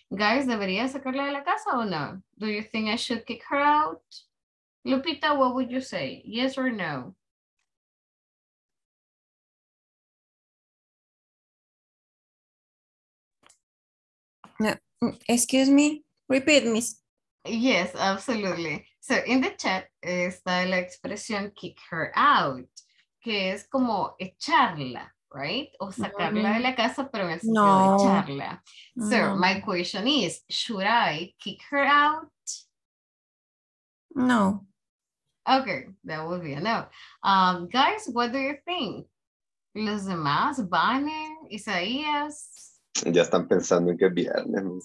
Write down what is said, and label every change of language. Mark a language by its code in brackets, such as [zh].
[es] Guys, ¿debería sacarla de la casa o no? [en] Do you think I should kick her out? Lupita, what would you say? Yes or no? Excuse me, repeat, miss. Yes, absolutely. So in the chat [es] está la expresión [en] kick her out, [es] que es como echarla, [en] right? [es] O sacarla de la casa, pero en el sentido de echarla. [en] So my question is, should I kick her out? No. Okay, that would be a no. Guys, what do you think? [es] Los demás, Vane, Isaías. Ya están pensando en que es viernes.